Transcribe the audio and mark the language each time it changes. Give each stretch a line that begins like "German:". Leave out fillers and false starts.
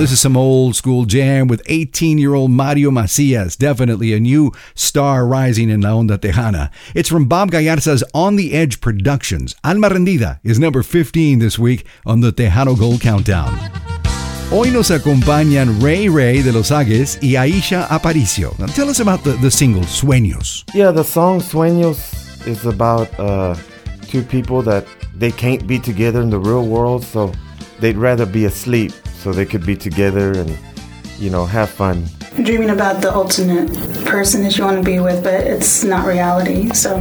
English: This is some old school jam with 18-year-old Mario Macias, definitely a new star rising in La Onda Tejana. It's from Bob Gallarza's On the Edge Productions. Alma Rendida is number 15 this week on the Tejano Gold Countdown.
Spanish: Hoy nos acompañan Ray Ray de Los Agues y Aisha Aparicio.
English: Now tell us about the single Sueños. Yeah, the song Sueños is about two people that they can't be together in the real world, so they'd rather be asleep so they could be together and, you know, have fun. Dreaming about the ultimate person that you want to be with, but it's not reality, so.